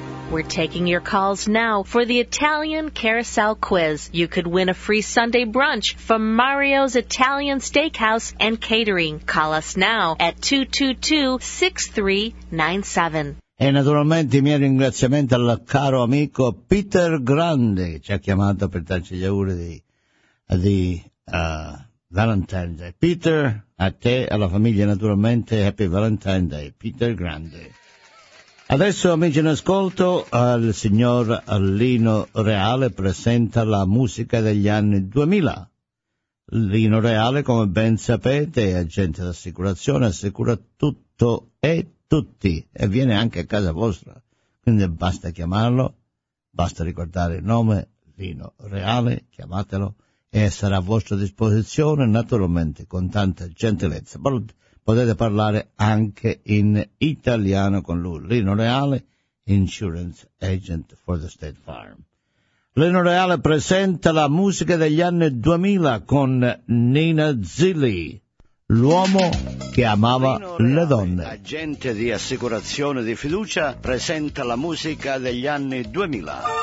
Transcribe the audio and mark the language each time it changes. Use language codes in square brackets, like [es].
[en] We're taking your calls now for the Italian Carousel Quiz. You could win a free Sunday brunch from Mario's Italian Steakhouse and Catering. Call us now at 222-6397. [it] E naturalmente i miei ringraziamenti al caro amico Peter Grande, che ci ha chiamato per darci gli auguri di Valentine's Day. Peter, a te, alla famiglia naturalmente, [en] Happy Valentine's Day, [it] Peter Grande. Adesso, amici in ascolto, il signor Lino Reale presenta la musica degli anni 2000. Lino Reale, come ben sapete, è agente d'assicurazione, assicura tutto e tutti, e viene anche a casa vostra. Quindi basta chiamarlo, basta ricordare il nome, Lino Reale, chiamatelo, e sarà a vostra disposizione, naturalmente, con tanta gentilezza. Potete parlare anche in italiano con lui. [en] Lino Reale, Insurance Agent for the State Farm. [it] Lino Reale presenta la musica degli anni 2000 con Nina Zilli, l'uomo che amava le donne. Lino Reale, agente di assicurazione di fiducia, presenta la musica degli anni 2000.